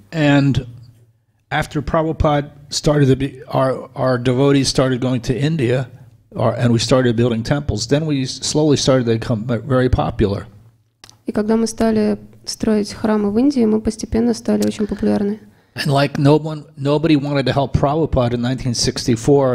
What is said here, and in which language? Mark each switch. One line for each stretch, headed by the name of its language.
English: And after Prabhupada started to be, our devotees started going to India, And we started building temples. Then we slowly started to become very popular.
Russian: И когда мы стали строить храмы в Индии, мы постепенно стали очень популярны.
English: And like nobody wanted to help Prabhupada in 1964 or